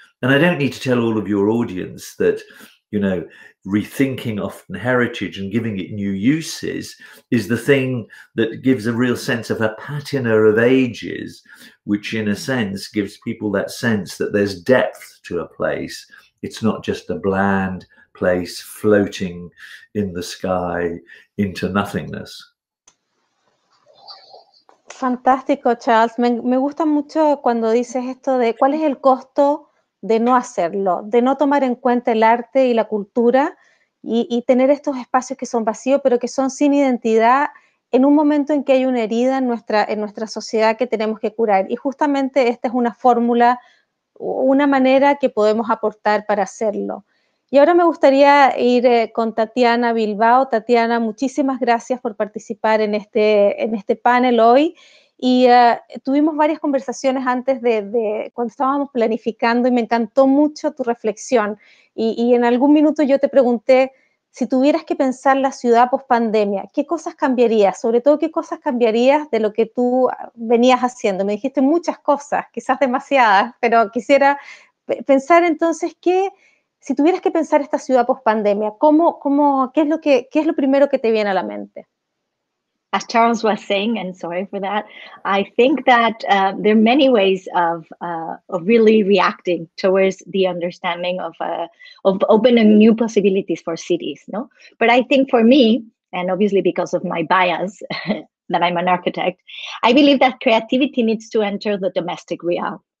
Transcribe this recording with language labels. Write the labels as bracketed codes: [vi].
[en] And I don't need to tell all of your audience that, you know, rethinking often heritage and giving it new uses is the thing that gives a real sense of a patina of ages, which in a sense gives people that sense that there's depth to a place. It's not just a bland place floating in the sky into nothingness. [es] Fantástico, Charles. Me gusta mucho cuando dices esto de cuál es el costo de no hacerlo, de no tomar en cuenta el arte y la cultura y tener estos espacios que son vacíos pero que son sin identidad en un momento en que hay una herida en nuestra sociedad que tenemos que curar. Y justamente esta es una fórmula, una manera que podemos aportar para hacerlo. Y ahora me gustaría ir con Tatiana Bilbao. Tatiana, muchísimas gracias por participar en este panel hoy. Y tuvimos varias conversaciones antes de cuando estábamos planificando y me encantó mucho tu reflexión. Y en algún minuto yo te pregunté, si tuvieras que pensar la ciudad pospandemia, ¿qué cosas cambiarías? Sobre todo, ¿qué cosas cambiarías de lo que tú venías haciendo? Me dijiste muchas cosas, quizás demasiadas, pero quisiera pensar entonces que, si tuvieras que pensar esta ciudad pospandemia, ¿qué es lo primero que te viene a la mente? [en] As Charles was saying, and sorry for that, I think that there are many ways of really reacting towards the understanding of opening new possibilities for cities, no? But I think for me, and obviously because of my bias, that I'm an architect, I believe that creativity needs to enter the domestic realm.